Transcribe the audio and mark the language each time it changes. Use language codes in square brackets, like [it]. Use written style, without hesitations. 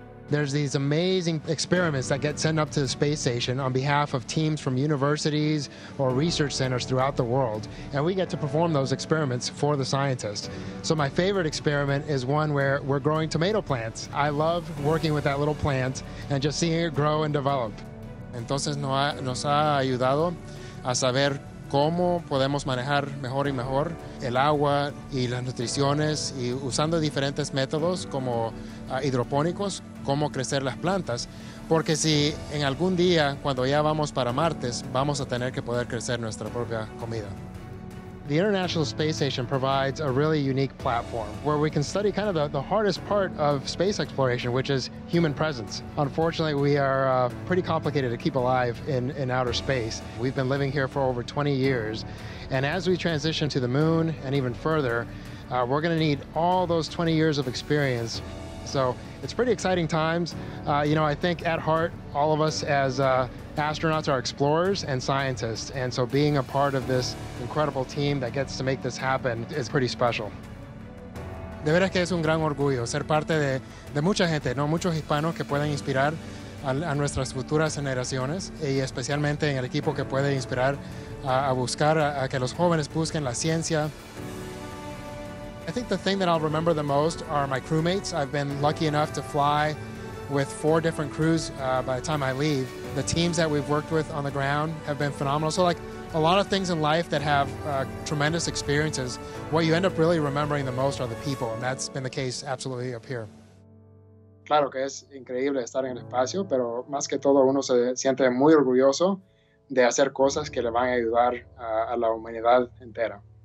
[en] There's these amazing experiments that get sent up to the space station on behalf of teams from universities or research centers throughout the world, and we get to perform those experiments for the scientists. So my favorite experiment is one where we're growing tomato plants. I love working with that little plant and just seeing it grow and develop. [es] Entonces nos ha ayudado a saber cómo podemos manejar mejor y mejor el agua y las nutriciones y usando diferentes métodos como hidropónicos, cómo crecer las plantas, porque si en algún día, cuando ya vamos para Marte, vamos a tener que poder crecer nuestra propia comida. [en] The International Space Station provides a really unique platform where we can study kind of the hardest part of space exploration, which is human presence. Unfortunately, we are pretty complicated to keep alive in outer space. We've been living here for over 20 years, and as we transition to the moon and even further, we're gonna need all those 20 years of experience. So it's pretty exciting times. You know, I think at heart, all of us as astronauts are explorers and scientists. And so being a part of this incredible team that gets to make this happen is pretty special. [es] De veras que es un gran orgullo ser parte de mucha gente, ¿no? Muchos hispanos que pueden inspirar a nuestras futuras generaciones y especialmente en el equipo que puede inspirar a buscar a que los jóvenes busquen la ciencia. [en] I think the thing that I'll remember the most are my crewmates. I've been lucky enough to fly with four different crews by the time I leave. The teams that we've worked with on the ground have been phenomenal. So like a lot of things in life that have tremendous experiences, what you end up really remembering the most are the people, and that's been the case absolutely up here. [es] Claro que es increíble estar en el espacio, pero más que todo uno se siente muy orgulloso de hacer cosas que le van a ayudar a la humanidad entera.